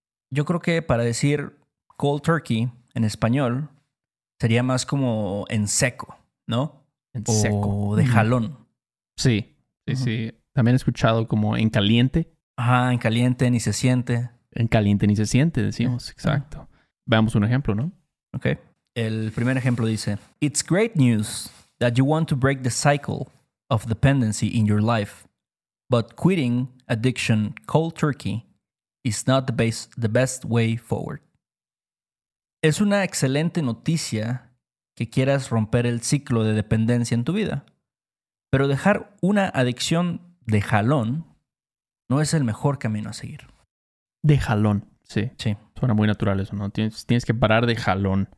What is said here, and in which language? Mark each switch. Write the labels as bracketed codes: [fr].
[es] Yo creo que para decir [en] cold turkey [es] en español sería más como en seco, ¿no? En seco, de jalón. Sí, sí, uh-huh. Sí. También he escuchado como en caliente. Ajá, en caliente, ni se siente. En caliente, ni se siente, decimos. Exacto. Uh-huh. Veamos un ejemplo, ¿no? Ok. El primer ejemplo dice, [en] it's great news that you want to break the cycle of dependency in your life, but quitting addiction cold turkey is not the best way forward. [es] Es una excelente noticia que quieras romper el ciclo de dependencia en tu vida, pero dejar una adicción de jalón no es el mejor camino a seguir. De jalón, sí. Sí. Suena muy natural eso, ¿no? Tienes que parar de jalón.